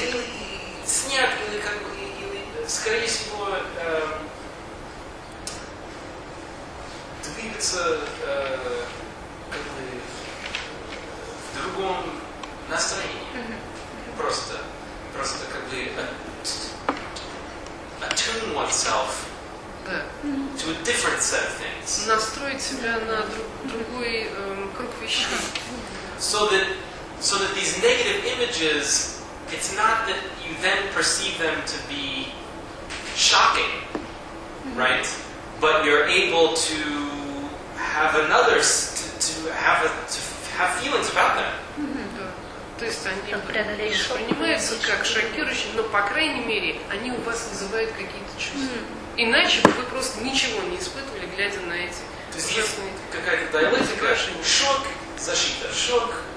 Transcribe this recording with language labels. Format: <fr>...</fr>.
<ru>Или как бы, скорее всего, двигаться как бы в другом настроении.</ru> <en>Mm-hmm.</en> <ru>Просто как бы</ru> <en>attune oneself to a different set of things.</en> <ru>Настроить себя на другой круг вещей.</ru> <en>So that these negative images, it's not that you then perceive them to be shocking, mm-hmm. right? But you're able to have another to have feelings about them.</en> <ru>То есть они воспринимаются как шокирующие, но по крайней мере они у вас вызывают какие-то чувства. Иначе бы вы просто ничего не испытывали, глядя на эти ужасные. Какая-то диалектика, шок, защита, шок.</ru>